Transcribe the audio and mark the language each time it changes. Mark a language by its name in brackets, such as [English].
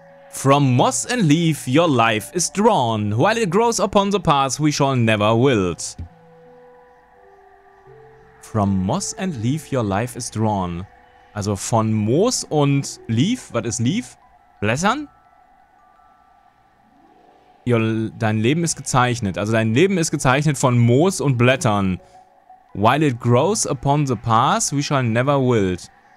[English] From moss and leaf your life is drawn, while it grows upon the paths we shall never wilt. From moss and leaf your life is drawn. [German] Also von Moos und Leaf, was ist Leaf? Blättern? Jo, dein Leben ist gezeichnet. Also dein Leben ist gezeichnet von Moos und Blättern. [English] While it grows upon the path, we shall never wilt.